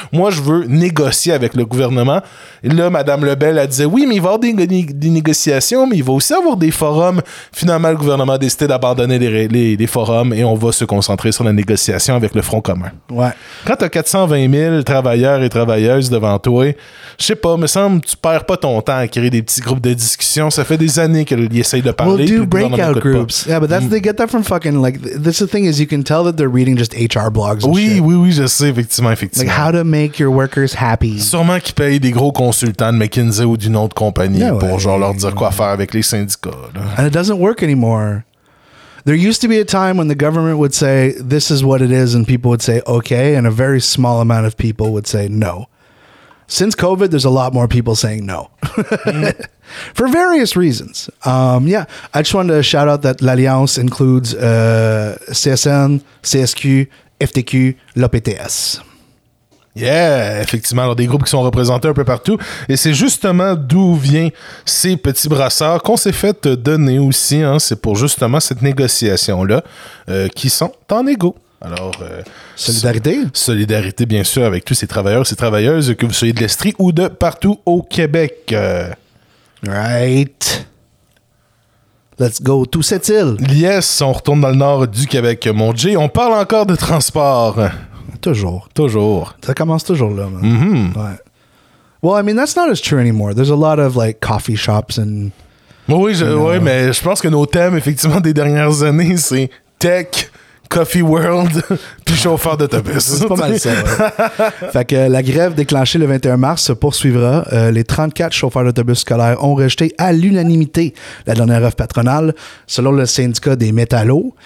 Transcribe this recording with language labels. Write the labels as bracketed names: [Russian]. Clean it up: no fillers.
[French] Moi, je veux négocier avec le gouvernement. » Et là, Mme Lebel, elle disait « Oui, mais il va y avoir des négociations, mais il va aussi avoir des forums. » Finalement, le gouvernement a décidé d'abandonner les forums et on va se concentrer sur la négociation avec le Front commun. Ouais. Quand t'as 420 000 travailleurs et travailleuses devant toi, je sais pas, me semble tu perds pas ton temps à créer des petits groupes de discussion. Ça fait des années qu'il essaye de parler. [English] We'll do breakout groups. Yeah, but they get that from fucking, like, that's the thing is you can tell that they're reading just HR blogs and [French] oui, [English] shit. [French] Oui, oui, je sais, effectivement. [English] Like, how to make your workers happy. [French] Sûrement qu'ils payent des gros consultants de McKinsey ou d'une autre compagnie pour, genre, leur dire quoi faire avec les syndicats. Là. [English] And it doesn't work anymore. There used to be a time when the government would say, this is what it is, and people would say, okay, and a very small amount of people would say, no. Since COVID, there's a lot more people saying no. For various reasons. Yeah, I just wanted to shout out that l'Alliance includes CSN, CSQ, FTQ, l'OPTS. [French] Yeah, effectivement. Alors, des groupes qui sont représentés un peu partout. Et c'est justement d'où viennent ces petits brassards qu'on s'est fait donner aussi. Hein. C'est pour justement cette négociation-là qui sont en égo. Alors, solidarité. Solidarité, bien sûr, avec tous ces travailleurs et ces travailleuses, que vous soyez de l'Estrie ou de partout au Québec. [English] Right. Let's go to Sept-Îles. [French] Yes, on retourne dans le nord du Québec, mon Jay. On parle encore de transport. Toujours. Toujours. Ça commence toujours là, man. Mm-hmm. Ouais. [English] Well, I mean, that's not as true anymore. There's a lot of, like, coffee shops and... [French] Oui, ouais, mais je pense que nos thèmes, effectivement, des dernières années, c'est tech, coffee world, puis chauffeur d'autobus. C'est pas mal ça, ouais. Fait que la grève déclenchée le 21 mars se poursuivra. Les 34 chauffeurs d'autobus scolaires ont rejeté à l'unanimité la dernière offre patronale, selon le syndicat des métallos.